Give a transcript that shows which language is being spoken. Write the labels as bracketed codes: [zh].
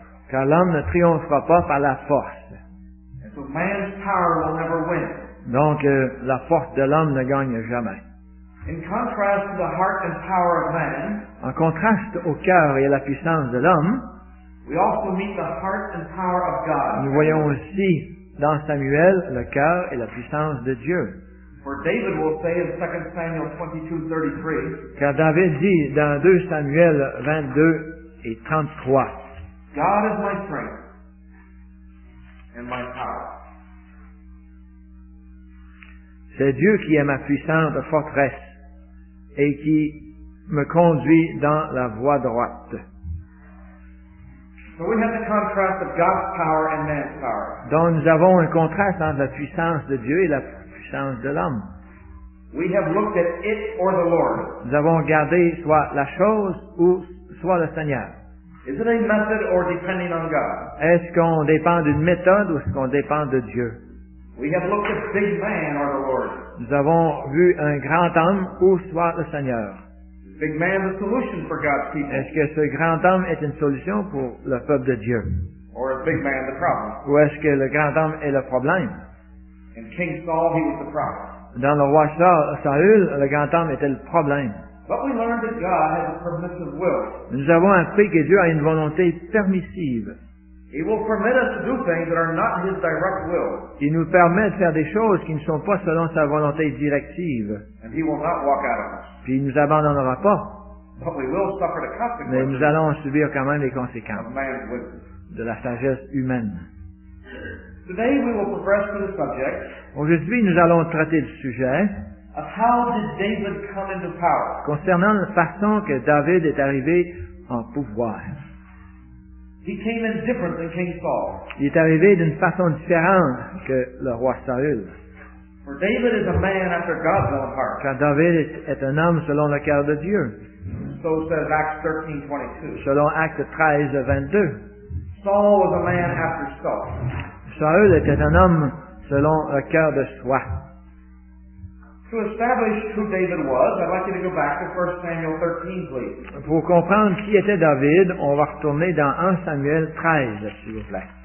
[fr] Car l'homme ne triomphera pas par la force. [en] And so man's power will never win. [fr] Donc la force de l'homme ne gagne jamais. [en] In contrast to the heart and power of man. [fr] En contraste au cœur et à la puissance de l'homme. [en] We also meet the heart and power of God. [fr] Nous voyons aussi dans Samuel le cœur et la puissance de Dieu. [en] For David will say in 2 Samuel 22:33. [fr] Car David dit dans 2 Samuel 22 et 33. [en] God is my strength and my power. [fr] C'est Dieu qui est ma puissante forteresse et qui me conduit dans la voie droite. [en] So we have the contrast of God's power and man's power. [fr] Donc nous avons un contraste entre la puissance de Dieu et la puissance de l'homme. [en] We have looked at it or the Lord. [fr] Nous avons regardé soit la chose ou soit le Seigneur. [en] Is it a method or depending on God? [fr] Est-ce qu'on dépend d'une méthode ou est-ce qu'on dépend de Dieu? [en] We have looked at big man or the Lord. [fr] Nous avons vu un grand homme ou soit le Seigneur. [en] Big man, the solution for God's people. [fr] Est-ce que ce grand homme est une solution pour le peuple de Dieu? [en] Or is big man the problem? [fr] Ou est-ce que le grand homme est le problème? [en] In King Saul, he was the problem. [fr] Dans le roi Saul, le grand homme était le problème. [en] But we learned that God has a permissive will. [fr] Nous avons appris que Dieu a une volonté permissive. [en] He will permit us to do things that are not His direct will. [fr] Il nous permet de faire des choses qui ne sont pas selon sa volonté directive. [en] And He will not walk out of us. [fr] Puis il nous abandonnera pas. [en] But we will suffer the consequences. [fr] Mais nous allons subir quand même les conséquences [en] of man's wisdom. [fr] De la sagesse humaine. [en] Today we will progress to the subject. [fr] Aujourd'hui, nous allons traiter du sujet. [en] Of how did David come into power? [fr] Concernant la façon que David est arrivé en pouvoir. [en] He came in different than King Saul. [fr] Il est arrivé d'une façon différente que le roi Saül. [en] For David is a man after God's own heart. [fr] Car David est un homme selon le cœur de Dieu. [en] So says Acts 13:22. [fr] Selon Actes 13:22. [en] Saul was a man after Saul. [fr] Saül était un homme selon le cœur de soi. [en] To establish who David was, I'd like you to go back to 1 Samuel 13, please. [fr] Pour comprendre qui était David, on va retourner dans 1 Samuel 13, s'il vous plaît.